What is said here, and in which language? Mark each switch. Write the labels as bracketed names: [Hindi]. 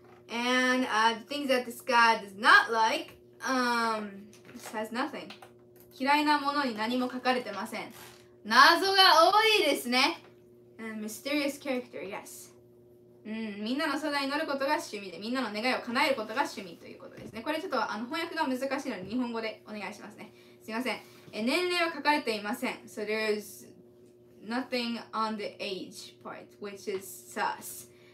[English] And the things that this guy does not like, this has nothing. [Japanese] 嫌いなものに何も書かれてません。謎が多いですね。 [English] And mysterious character, yes. [Japanese] みんなの相談に乗ることが趣味で、みんなの願いを叶えることが趣味ということですね。これちょっとあの翻訳が難しいので日本語でお願いしますね。すいません。年齢は書かれていません。 [English] So there's nothing on the age part, which is sus.